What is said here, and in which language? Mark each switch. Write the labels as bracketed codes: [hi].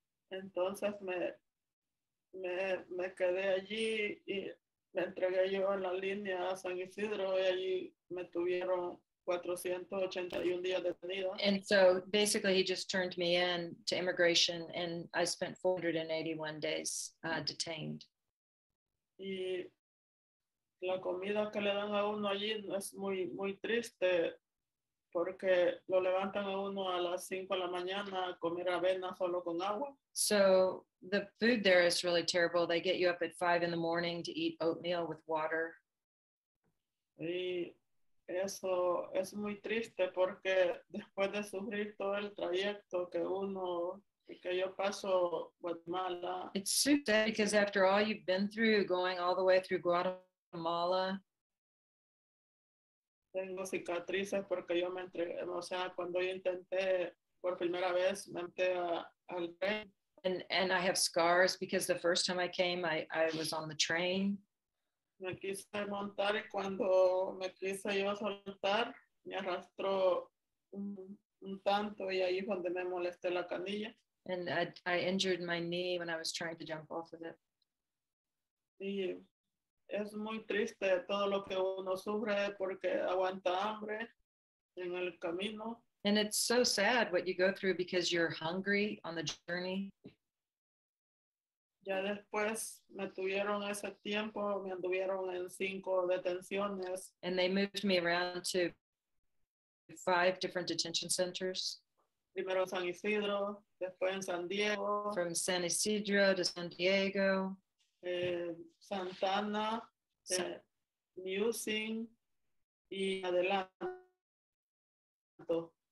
[es] Entonces me quedé allí y me entregué yo en la línea a San Isidro y allí me tuvieron 481 días detenido. [en] And so basically he just turned me in to immigration and I spent 481 days detained. [es] Y la comida que le dan a uno allí no es muy, muy triste porque lo levantan a uno a las 5 de la mañana a comer avena solo con agua. [en] So the food there is really terrible. They get you up at 5 in the morning to eat oatmeal with water. [es] Y eso es muy triste porque después de sufrir todo el trayecto que uno, que yo paso Guatemala. [en] It's super sad because after all you've been through, going all the way through Guatemala. [es] Tengo cicatrices porque yo me entregué, o sea, cuando yo intenté por primera vez, me entregué al tren. [en] And I have scars because the first time I came, I was on the train. [es] Me quise montar y cuando me quise yo soltar, me arrastró un tanto y ahí donde me molesté la canilla. [en] And I injured my knee when I was trying to jump off of it. [es] Sí, es muy triste todo lo que uno sufre porque aguanta hambre en el camino. [en] And it's so sad what you go through because you're hungry on the journey. [es] Ya después me tuvieron ese tiempo, me anduvieron en cinco detenciones. [en] And they moved me around to five different detention centers. [es] Primero San Isidro, después en San Diego. [en] From San Isidro to San Diego. [es] Santana, Musing, y Adelanto.